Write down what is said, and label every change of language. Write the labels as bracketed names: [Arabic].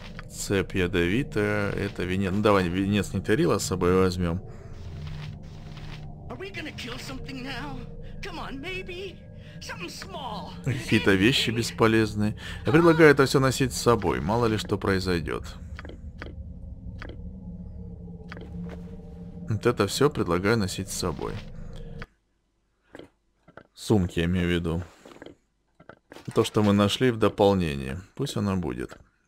[Russian] Цепь ядовитая, это венец. Ну давай венец Нетерила с собой возьмем. [English] Are we gonna kill something now? Come on, maybe. [Russian] Какие-то вещи бесполезные. Я предлагаю это все носить с собой. Мало ли что произойдет. Вот это все предлагаю носить с собой. Сумки, я имею в виду. То, что мы нашли в дополнении. Пусть оно будет.